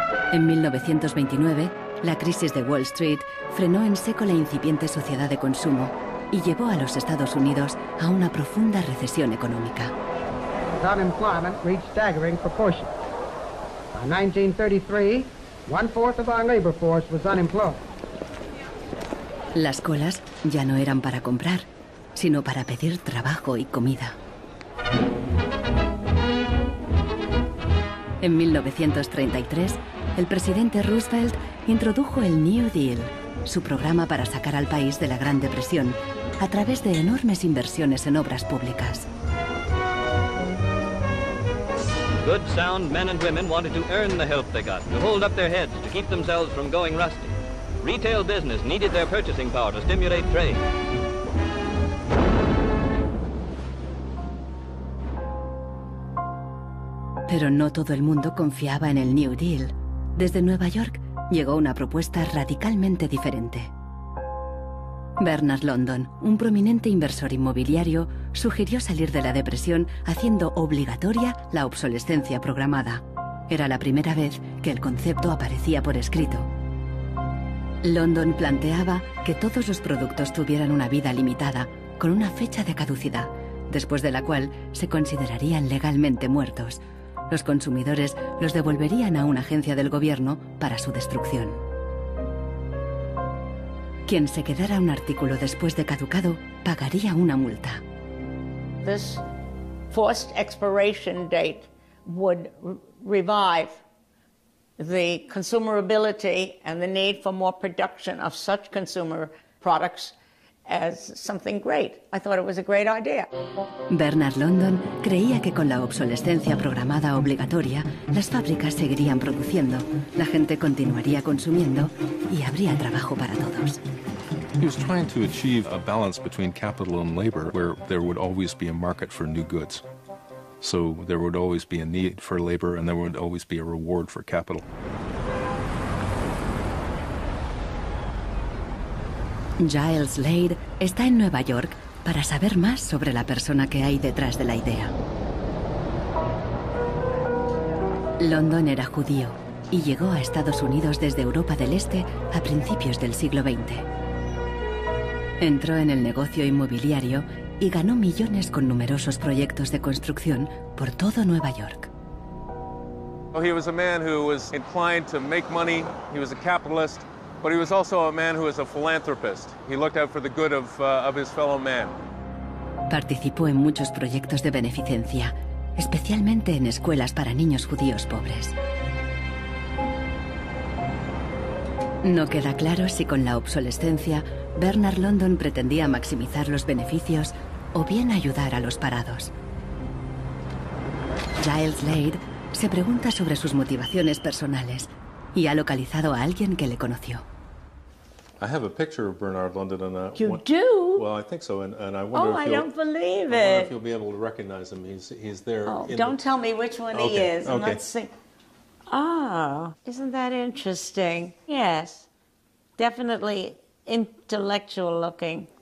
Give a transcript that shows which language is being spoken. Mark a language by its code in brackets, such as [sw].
[es] En 1929, la crisis de Wall Street frenó en seco la incipiente sociedad de consumo y llevó a los Estados Unidos a una profunda recesión económica. [en] Unemployment reached staggering proportions. By 1933, one-fourth of our labor force was unemployed. [es] Las colas ya no eran para comprar, sino para pedir trabajo y comida. En 1933, el presidente Roosevelt introdujo el New Deal, su programa para sacar al país de la Gran Depresión, a través de enormes inversiones en obras públicas. [en] Good sound men and women wanted to earn the help they got, to hold up their heads, to keep themselves from going rusty. Retail business needed their purchasing power to stimulate trade. [es] Pero no todo el mundo confiaba en el New Deal. Desde Nueva York llegó una propuesta radicalmente diferente. Bernard London, un prominente inversor inmobiliario, sugirió salir de la depresión haciendo obligatoria la obsolescencia programada. Era la primera vez que el concepto aparecía por escrito. London planteaba que todos los productos tuvieran una vida limitada, con una fecha de caducidad, después de la cual se considerarían legalmente muertos. Los consumidores los devolverían a una agencia del gobierno para su destrucción. Quien se quedara un artículo después de caducado pagaría una multa. [en] This forced expiration date would revive the consumability and the need for more production of such consumer products as something great. I thought it was a great idea. [es] Bernard London creía que con la obsolescencia programada obligatoria, las fábricas seguirían produciendo, la gente continuaría consumiendo y habría trabajo para todos. [en] He was trying to achieve a balance between capital and labor where there would always be a market for new goods. So there would always be a need for labor and there would always be a reward for capital. [es] Giles Lade está en Nueva York para saber más sobre la persona que hay detrás de la idea. London era judío y llegó a Estados Unidos desde Europa del Este a principios del siglo XX. Entró en el negocio inmobiliario y ganó millones con numerosos proyectos de construcción por todo Nueva York. [en] He was a man who was inclined to make money. He was a capitalist. But he was also a man who was a philanthropist. He looked out for the good of his fellow man. [es] Participó en muchos proyectos de beneficencia, especialmente en escuelas para niños judíos pobres. No queda claro si con la obsolescencia Bernard London pretendía maximizar los beneficios o bien ayudar a los parados. Giles Lade se pregunta sobre sus motivaciones personales y ha localizado a alguien que le conoció. [en] I have a picture of Bernard London and You do? Well, I think so, and I wonder I don't believe it. I wonder if you'll be able to recognize him. He's there. Tell me which one he is. Okay. Let's see. Oh, isn't that interesting? Yes. Definitely intellectual looking.